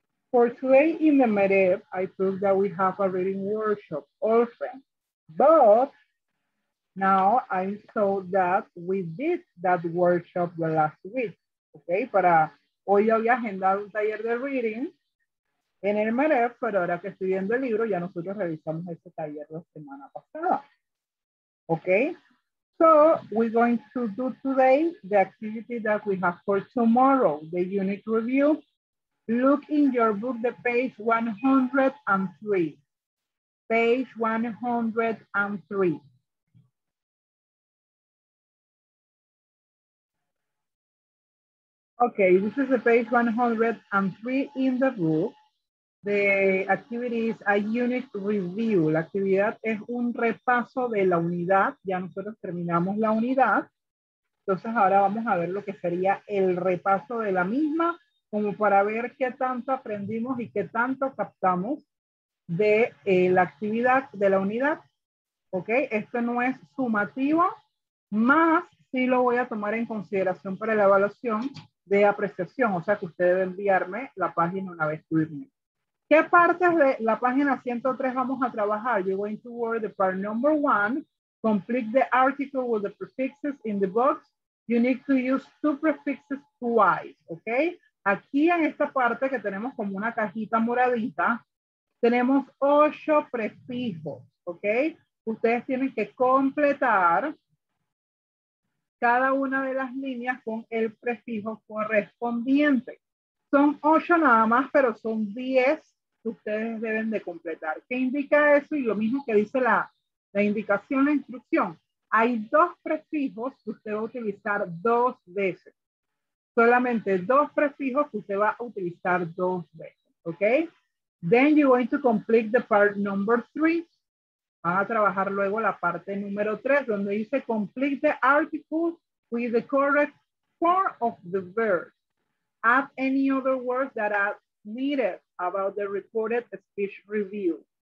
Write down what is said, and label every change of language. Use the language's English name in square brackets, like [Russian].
[English] For today in the MEDEV, I took that we have a reading workshop, Orphan. But now I saw that we did that workshop the last week. [Spanish] Okay, para hoy había agendado un taller de reading en el MEDEV, pero ahora que estoy viendo el libro, ya nosotros revisamos ese taller la semana pasada. [English] Okay. So, we're going to do today the activity that we have for tomorrow, the unit review. Look in your book, the page 103. Page 103. Okay, this is the page 103 in the book. The activity is a unit review. [Spanish] La actividad es un repaso de la unidad. Ya nosotros terminamos la unidad. Entonces ahora vamos a ver lo que sería el repaso de la misma, como para ver qué tanto aprendimos y qué tanto captamos de la actividad de la unidad. ¿Ok? Esto no es sumativo, más sí lo voy a tomar en consideración para la evaluación de apreciación. O sea que usted debe enviarme la página una vez que ¿qué partes de la página 103 vamos a trabajar? [English] You're going to work the part number one. Complete the article with the prefixes in the box. You need to use two prefixes twice, okay? [Spanish] Aquí en esta parte que tenemos como una cajita moradita, tenemos 8 prefijos, okay? Ustedes tienen que completar cada una de las líneas con el prefijo correspondiente. Son 8 nada más, pero son 10 que ustedes deben de completar. ¿Qué indica eso? Y lo mismo que dice la indicación, la instrucción. Hay 2 prefijos que usted va a utilizar 2 veces. Solamente 2 prefijos que usted va a utilizar 2 veces. ¿Ok? [English] Then you're going to complete the part number 3. [Spanish] Van a trabajar luego la parte número 3, donde dice [English] complete the article with the correct form of the verb. Add any other words that are needed about the reported speech review.